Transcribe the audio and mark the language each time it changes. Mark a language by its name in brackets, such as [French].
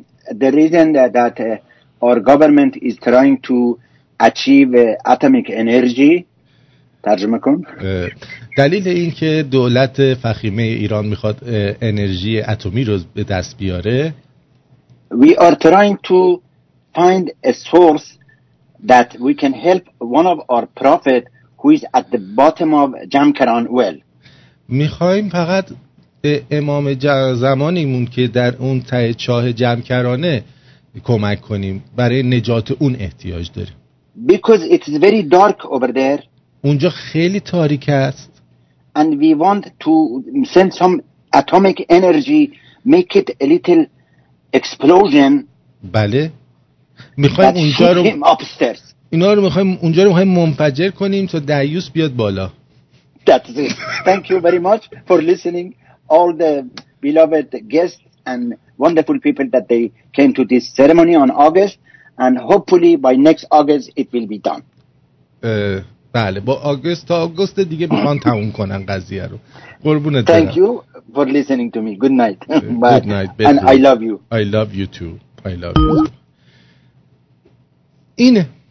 [English] The reason that our government is trying to achieve atomic energy، [Persian] ترجمه کن. دلیل این که دولت فخیمه ایران میخواد انرژی اتمی رو به دست بیاره، [English] we are trying to find a source that we can help one of our prophet who is at the bottom of Jamkaran well. [Persian] میخواییم فقط امام زمانیمون که در اون ته چاه جمکرانه کمک کنیم، برای نجات اون احتیاج داریم. [English] Because it is very dark over there. [Persian] اونجا خیلی تاریک است. [English] And we want to send some atomic energy, make it a little explosion. [Persian] بله. میخوایم اونجا رو [English] upstairs. [Persian] اینا رو میخوایم اونجا رو میخوایم منفجر کنیم تا دیوس بیاد بالا. [English] That's it. Thank you very much for listening all the beloved guests and wonderful people that they came to this ceremony on August. And hopefully by next August it will be done. [Persian] بله با آگوست تا آگوست دیگه میخوان تموم کنن قضیه رو. قربونت برم. [English] Thank you for listening to me. Good night. Good night. Bedroom. And I love you. I love you too. I love you. [Persian] اینه.